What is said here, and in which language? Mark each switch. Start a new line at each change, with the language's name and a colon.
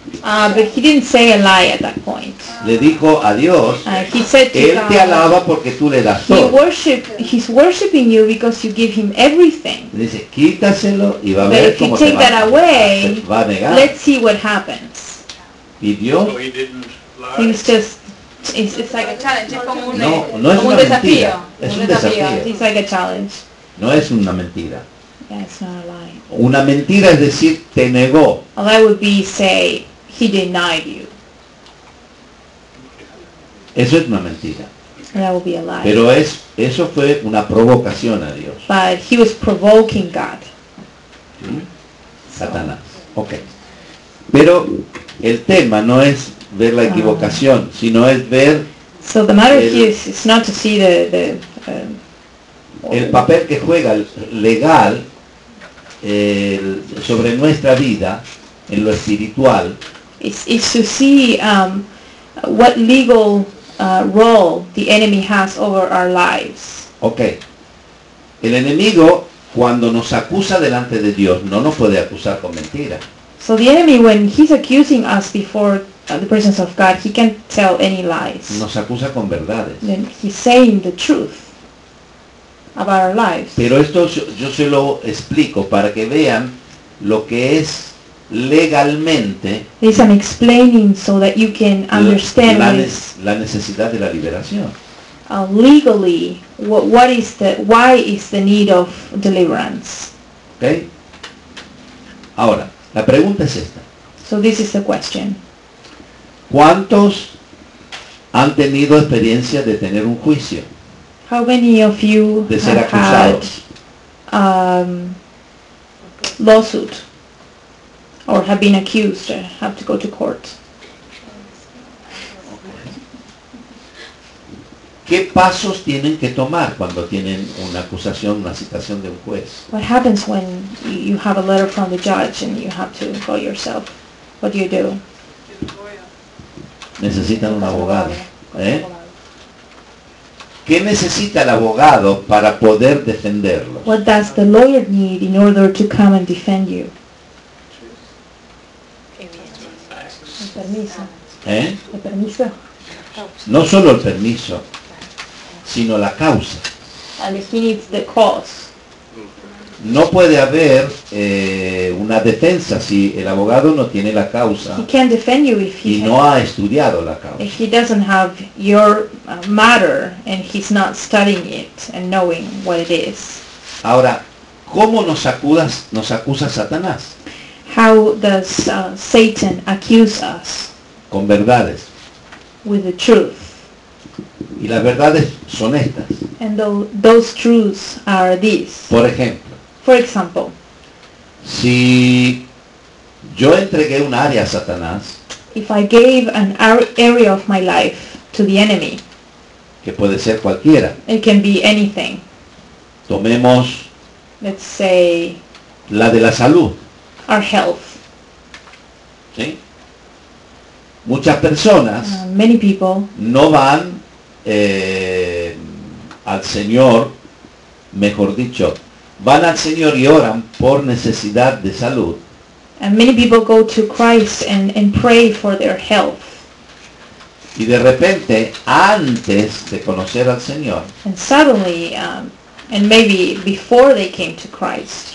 English: But he didn't say a lie at that point.
Spanish: Le dijo a Dios,
English: he said to
Spanish: Él te alaba porque tú le das todo.
English: He's worshiping you because you give him everything.
Spanish: Le dice, quítaselo y va a ver cómo te va.
English: But if you take that away,
Spanish: va a negar.
English: Let's see what happens.
Spanish: Y Dios,
English: so he didn't lie. He's just, it's like a challenge.
Spanish: No, es una mentira. Es un desafío.
English: It's like a challenge.
Spanish: No es una mentira.
English: Yeah, it's not a lie.
Spanish: Una mentira es decir, te negó.
English: A lie would be say, he denied you.
Spanish: Eso es una mentira.
English: That would be a lie.
Spanish: Pero eso fue una provocación a Dios.
English: But he was provoking God.
Spanish: ¿Sí? Satanás. Ok. Pero el tema no es ver la equivocación, sino es ver...
English: So the matter here is not to see the
Spanish: el papel que juega el legal sobre nuestra vida en lo espiritual.
English: It's to see what legal role the enemy has over our lives. Okay.
Spanish: El enemigo cuando nos acusa delante de Dios no nos puede acusar con mentira.
English: So the enemy when he's accusing us before the presence of God, he can't tell any lies.
Spanish: Nos acusa con verdades.
English: Then he's saying the truth. about our lives.
Spanish: Pero esto yo se lo explico para que vean lo que es legalmente.
English: This I'm explaining so that you can understand
Spanish: la necesidad de la liberación.
English: Legally, what is the, why is the need of deliverance?
Spanish: Okay. Ahora, la pregunta es esta.
English: So this is the question.
Spanish: ¿Cuántos han tenido experiencia de tener un juicio?
English: How many of you
Spanish: de ser
English: have
Spanish: acusados?
English: Had lawsuit or have been accused or have to go to court?
Spanish: ¿Qué pasos tienen que tomar cuando tienen una acusación, una citación de un juez?
English: What happens when you have a letter from the judge and you have to go yourself? What do you do?
Spanish: Necesitan un abogado. ¿Eh? ¿Qué necesita el abogado para poder defenderlo?
English: What does the lawyer need in order to come and defend you?
Spanish: El permiso. ¿Eh? El permiso. No solo el permiso, sino la causa.
English: And he needs the cause.
Spanish: No puede haber una defensa si el abogado no tiene la causa.
English: He can't defend you if he
Spanish: y no ha estudiado la causa.
English: If he doesn't have your matter and he's not studying it and knowing what it is.
Spanish: Ahora, ¿cómo nos acusa Satanás?
English: How does Satan accuse us?
Spanish: Con verdades.
English: With the truth.
Spanish: Y las verdades son estas.
English: And those truths are these.
Spanish: Por ejemplo.
English: For example,
Spanish: si yo entregué un área a Satanás,
English: if I gave an area of my life to the enemy,
Spanish: que puede ser cualquiera,
English: it can be anything.
Spanish: Tomemos,
English: let's say,
Spanish: la de la salud,
English: our health.
Spanish: ¿Sí? Muchas personas,
English: many people,
Spanish: no van al Señor, mejor dicho. Van al Señor y oran por necesidad de salud.
English: And many people go to Christ and pray for their health.
Spanish: Y de repente, antes de conocer al Señor,
English: and suddenly, and maybe before they came to Christ,